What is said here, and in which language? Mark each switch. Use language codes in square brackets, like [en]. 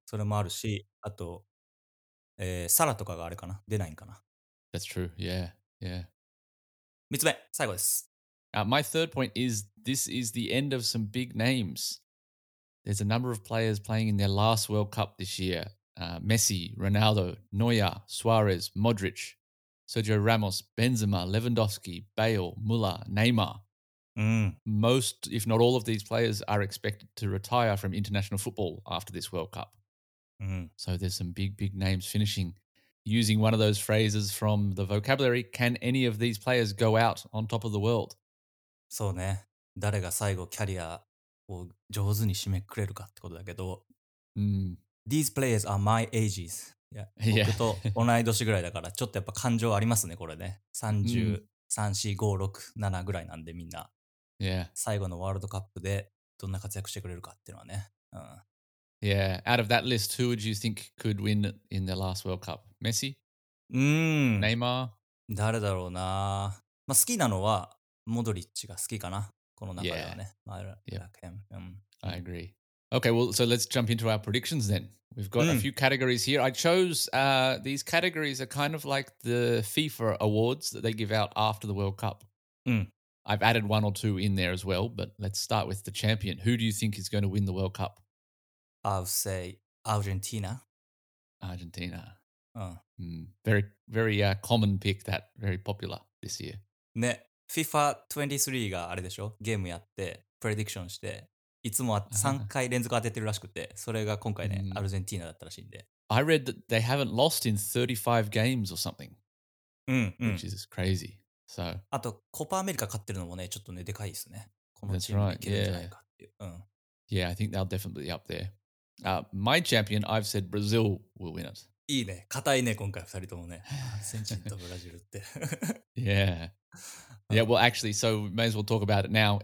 [ja] それもあるし、あと、サラとかがあれかな、出ないんかな。 [en] That's true. Yeah. Yeah. [ja] 3つ目、最後です。 [en] My third point is, this is the end of some big names. There's a number of players playing in their last World Cup this year. Messi, Ronaldo, Neuer, Suarez, Modric, Sergio Ramos, Benzema, Lewandowski, Bale, Müller, Neymar. Most, if not all of these players are expected to retire from international football after this World Cup. So there's some big, big names finishing. Using one of those phrases from the vocabulary, can any of these players go out on top of the world? [ja] そうね。誰が最後キャリアを上手に締めくれるかってことだけど。 [en] These players are my ages. Yeah. Yeah. [ja] 僕と同い年ぐらいだから、ちょっとやっぱ感情ありますね、これね。 33、4、5、6、7ぐらいなんでみんな。 [en] Yeah. [ja] 最後のワールドカップでどんな活躍してくれるかっていうのはね。 [en] Yeah. Out of that list, who would you think could win in the last World Cup? Messi? Neymar? [ja] 誰だろうな。まあ好きなのは、モドリッチが好きかな、この中ではね。 [en] Yeah. I agree. Okay, well, so let's jump into our predictions then. We've got a few categories here. I chose, these categories are kind of like the FIFA awards that they give out after the World Cup. I've added one or two in there as well, but let's start with the champion. Who do you think is going to win the World Cup? I'll say Argentina. Argentina. Very, very common pick that, very popular this year. [ja] ね。 FIFA 23があれでしょ、ゲームやってプレディクションしていつも3回連続当ててるらしくて、それが今回ね、アルゼンティーナだったらしいんで。 [en] I read that they haven't lost in 35 games or something. Which is crazy. So, [ja] あとコパアメリカ勝ってるのもね、ちょっとね、でかいですね。このチームに行けるんじゃないかっていう。 [en] That's right. Yeah, I think they'll definitely be up there. My champion, I've said Brazil will win it. [ja] いいね、固いね、今回2人ともね。アルゼンチンとブラジルって。 [en] Yeah, well, actually, so we may as well talk about it now.